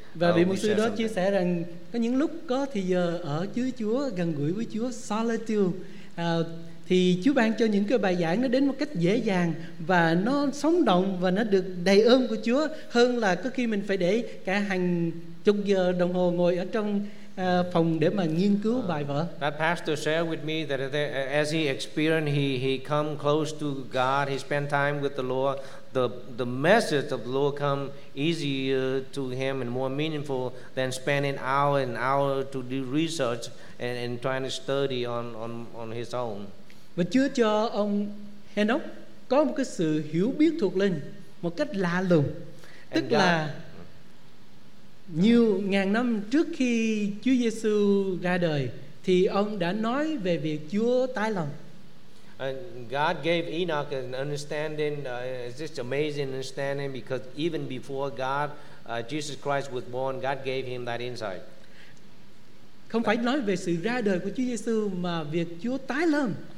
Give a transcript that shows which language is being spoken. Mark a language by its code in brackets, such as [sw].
[vi] Và vị mục sư đó chia sẻ rằng có những lúc có thì giờ ở dưới Chúa, gần gũi với Chúa, solitude. Thì Chúa ban cho những cái bài giảng nó đến một cách dễ dàng và nó sống động và nó được đầy ơn của Chúa hơn là có khi mình phải để cả hàng chục giờ đồng hồ ngồi ở trong phòng để mà nghiên cứu bài vở. [en] That pastor shared with me that as he experienced, he come close to God, he spent time with the Lord, the message of the Lord come easier to him and more meaningful than spending hour and hour to do research and trying to study on his own. [vi] Và Chúa cho ông Henoch có một cái sự hiểu biết thuộc linh một cách lạ lùng. Tức là nhiều ngàn năm trước khi Chúa Giêsu ra đời thì ông đã nói về việc Chúa tái lòng. [en] And God gave Enoch an understanding, just amazing understanding, because even before God, Jesus Christ was born, God gave him that insight. [vi] Không phải nói về sự ra đời của Chúa Giêsu mà việc Chúa tái lòng.